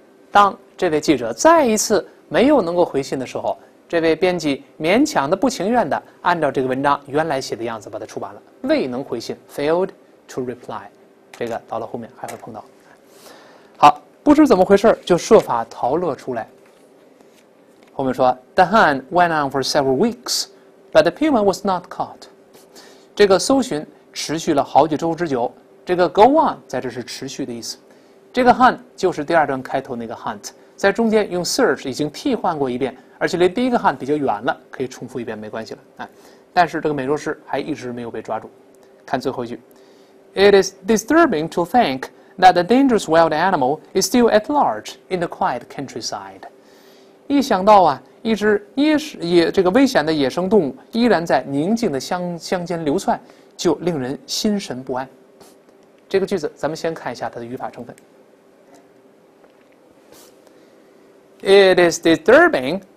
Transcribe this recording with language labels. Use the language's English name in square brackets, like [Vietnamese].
[Chinese] 当这位记者再一次没有能够回信的时候，这位编辑勉强的、不情愿的按照这个文章原来写的样子把它出版了。未能回信 [English] （failed to reply）， [Chinese] 这个到了后面还会碰到。好，不知怎么回事就设法逃了出来。后面说 [English] ，The hunt went on for several weeks, but the penguin was not caught。 [Chinese] 这个搜寻持续了好几周之久。这个 go on 在这是持续的意思。这个 hunt 就是第二段开头那个 hunt，在中间用 search 已经替换过一遍，而且离第一个 hunt 比较远了，可以重复一遍没关系了。但是这个美洲狮还一直没有被抓住。看最后一句 [English] ，It is disturbing to think that the dangerous wild animal is still at large in the quiet countryside。 [Chinese] 一想到啊，一只这个危险的野生动物依然在宁静的乡间流窜，就令人心神不安。这个句子，咱们先看一下它的语法成分。 [English] It is disturbing。